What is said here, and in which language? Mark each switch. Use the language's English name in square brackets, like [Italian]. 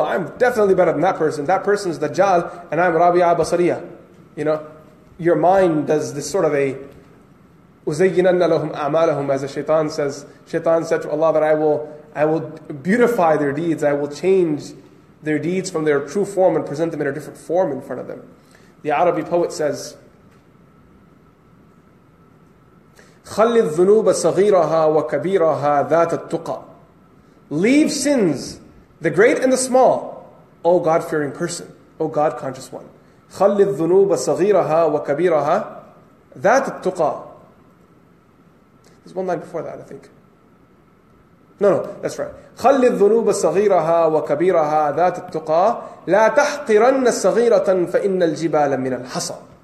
[English] I'm definitely better than that person. That person's Dajjal and I'm Rabi'a Basariya. You know, your mind does this sort of a [Arabic] uzayyinanna lahum a'malahum, [English] as the shaitan says. Shaitan said to Allah that I will beautify their deeds. I will change their deeds from their true form and present them in a different form in front of them. The Arabi poet says, [Arabic] خَلِّ الذُّنُوبَ صَغِيرَهَا وَكَبِيرَهَا ذَاتَ التُّقَى. [English] Leave sins, the great and the small, O God-fearing person, O God-conscious one. [Arabic] خَلِّ الذُّنُوبَ صَغِيرَهَا وَكَبِيرَهَا ذَاتَ التُّقَى. [English] There's one line before that, I think. No, that's right. [Arabic] خَلِّ الذُّنُوبَ صَغِيرَهَا وَكَبِيرَهَا ذَاتِ التُّقَى لَا تَحْقِرَنَّ صَغِيرَةً فَإِنَّ الْجِبَالَ مِنَ الْحَصَى.